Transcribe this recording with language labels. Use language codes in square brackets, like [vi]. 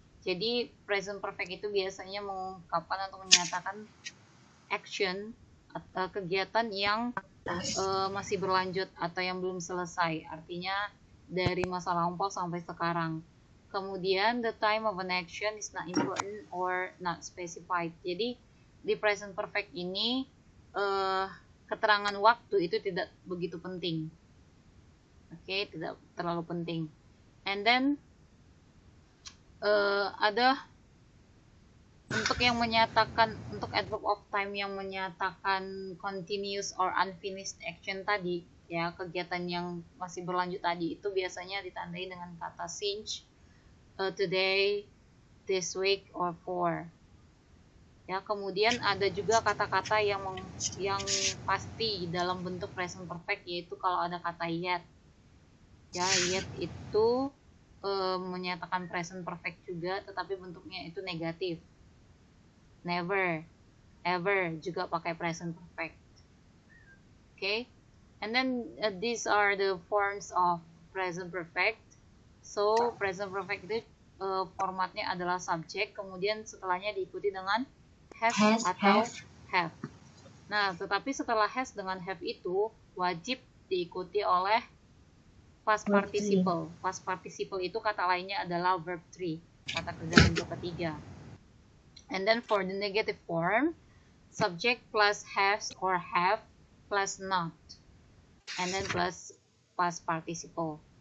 [id] Jadi present perfect itu biasanya mengungkapkan atau menyatakan action atau kegiatan yang masih berlanjut atau yang belum selesai. Artinya dari masa lampau sampai sekarang. [en] Kemudian the time of an action is not important or not specified. [id] Jadi di present perfect ini keterangan waktu itu tidak begitu penting. Oke, tidak terlalu penting. And then ada untuk yang menyatakan, untuk adverb of time yang menyatakan [en] continuous or unfinished action [id] tadi, ya, kegiatan yang masih berlanjut tadi, itu biasanya ditandai dengan kata since, today, this week, or for. Ya, kemudian ada juga kata-kata yang pasti dalam bentuk present perfect, yaitu kalau ada kata yet. Ya, yet itu menyatakan present perfect juga, tetapi bentuknya itu negatif. Never, ever juga pakai present perfect. [en] Okay, and then these are the forms of present perfect. [id] So, present perfect itu formatnya adalah subject, kemudian setelahnya diikuti dengan have. Nah, tetapi setelah has dengan have itu wajib diikuti oleh past participle. Past participle itu kata lainnya adalah verb 3, kata kerja bentuk ketiga. [en] And then for the negative form, subject plus has or have plus not, and then plus past participle.